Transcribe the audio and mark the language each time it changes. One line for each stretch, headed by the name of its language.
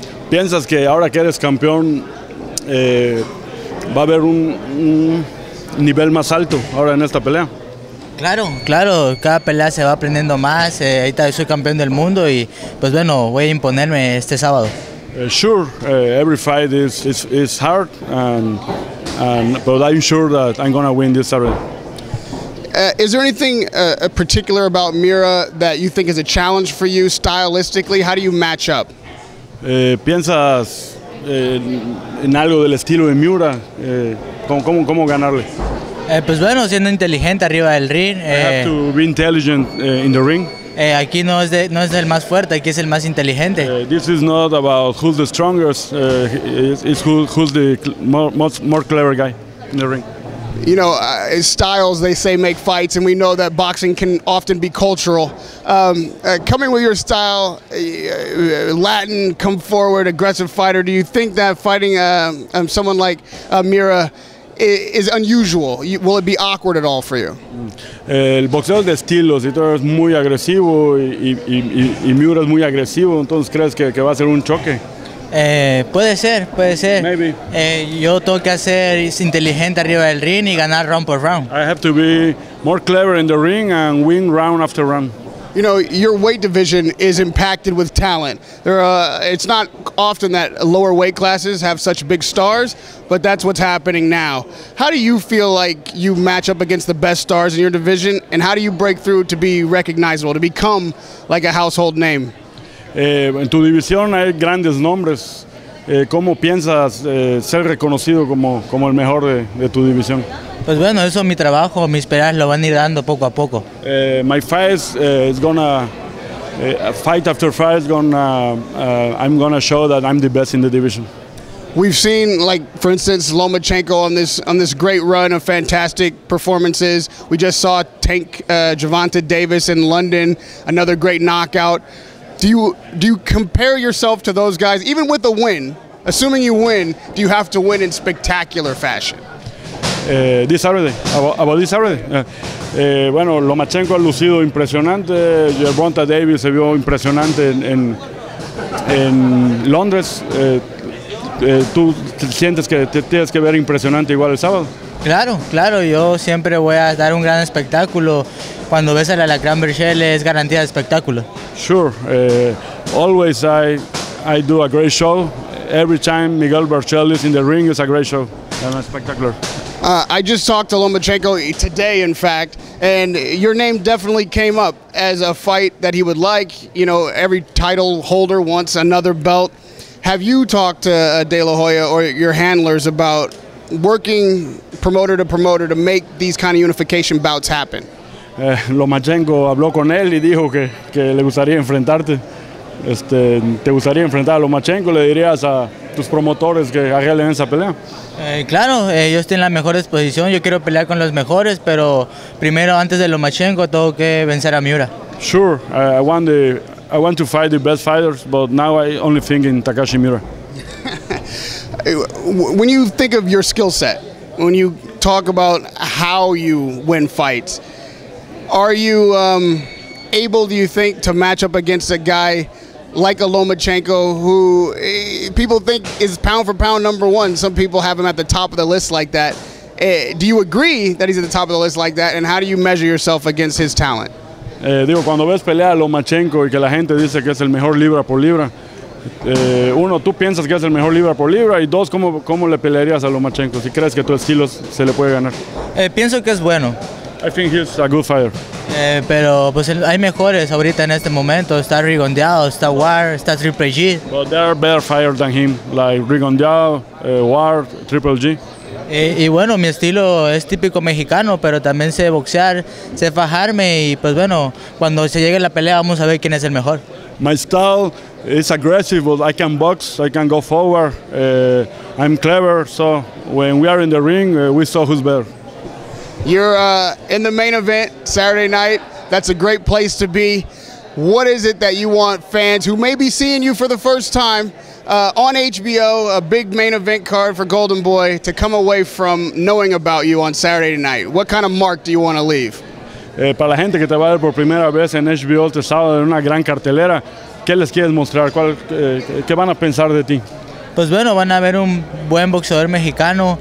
Spanish: ¿Piensas que ahora que eres campeón va a haber un nivel más alto ahora en esta pelea? Claro, claro, cada pelea se va aprendiendo más. Ahorita soy campeón del mundo y pues bueno, voy a imponerme este sábado.
English: Every fight is hard and but I'm sure that I'm going to win this Saturday. Is there anything particular about Mira that you think is a challenge for you stylistically? How do you match up?
Spanish: ¿Piensas en algo del estilo de Mira? ¿Cómo ganarle? Pues bueno, siendo inteligente arriba del ring.
English: I have to be intelligent in the ring.
Spanish: Aquí no es, no es el más fuerte, aquí es el más inteligente.
English: This is not about who's the strongest, it's who's the more clever guy in the ring. You know, styles, they say, make fights, and we know that boxing can often be cultural. Coming with your style, Latin, come forward, aggressive fighter, do you think that fighting someone like Mira is unusual? Will it be awkward at all for you?
Spanish: El boxeo es de estilos, y tú eres muy agresivo, y Mira es muy agresivo, entonces crees que va a ser un choque. Puede ser.
English: Maybe.
Spanish: Yo tengo que ser inteligente arriba del ring y ganar round por round.
English: I have to be more clever in the ring and win round after round. You know, your weight division is impacted with talent. It's not often that lower weight classes have such big stars, but that's what's happening now. How do you feel like you match up against the best stars in your division, and how do you break through to be recognizable, to become like a household name?
Spanish: En tu división hay grandes nombres. ¿Cómo piensas ser reconocido como el mejor de tu división? Pues bueno, eso es mi trabajo, mis peleas lo van a ir dando poco a poco.
English: My fight is gonna fight after fight. I'm gonna show that I'm the best in the division. We've seen, like, for instance, Lomachencko on this great run of fantastic performances. We just saw Tank Gervonta Davis in London, another great knockout. Do you compare yourself to those guys, even with a win? Assuming you win, do you have to win in spectacular fashion? This Saturday. About this Saturday.
Spanish: Bueno, Lomachenko ha lucido impresionante. Gerevonta Davis se vio impresionante en Londres. ¿Tú sientes que te tienes que ver impresionante igual el sábado? Claro, claro. Yo siempre voy a dar un gran espectáculo. Cuando ves a la Gran Berchelt, es garantía de espectáculo.
English: Sure. Always I do a great show. Every time Miguel Berchelt is in the ring, it's a great show. And it's spectacular. I just talked to Lomachenko today, in fact, and your name definitely came up as a fight that he would like. You know, every title holder wants another belt. Have you talked to De La Hoya or your handlers about working promoter to promoter to make these kind of unification bouts happen?
Spanish: Lomachenko habló con él y dijo que le gustaría enfrentarte. ¿Te gustaría enfrentar a Lomachenko? ¿Le dirías a tus promotores que arreglen esa pelea? Claro, yo estoy en la mejor disposición. Yo quiero pelear con los mejores, pero primero, antes de Lomachenko, tengo que vencer a Miura.
English: Sure, I want to fight the best fighters, but now I only think in Takashi Miura. When you think of your skill set, when you talk about how you win fights, are you able, do you think, to match up against a guy like a Lomachenko, who people think is pound for pound number one? Some people have him at the top of the list like that. Do you agree that he's at the top of the list like that, and how do you measure yourself against his talent?
Spanish: Digo, cuando ves pelear a Lomachenko y que la gente dice que es el mejor libra por libra, uno, tú piensas que es el mejor libra por libra, y dos, ¿cómo le pelearías a Lomachenko si crees que tu estilo se le puede ganar? Pienso que es bueno.
English: I think he's a good fighter.
Spanish: Pero pues hay mejores ahorita en este momento. Está Rigondeado, está War, está Triple G.
English: But there are better fighters than him, like Rigondeado, War, Triple G.
Spanish: Y bueno, mi estilo es típico mexicano, pero también sé boxear, sé fajarme, y pues bueno, cuando se llegue la pelea vamos a ver quién es el mejor.
English: My style is aggressive, but I can box, I can go forward, I'm clever, so when we are in the ring, we saw who's better. You're in the main event Saturday night. That's a great place to be. What is it that you want fans who may be seeing you for the first time on HBO, a big main event card for Golden Boy, to come away from knowing about you on Saturday night? What kind of mark do you want to leave?
Spanish: Para la gente que te va a ver por primera vez en HBO este sábado en una gran cartelera, ¿qué les quieres mostrar? ¿Cuál, qué van a pensar de ti? Pues bueno, van a ver un buen boxeador mexicano.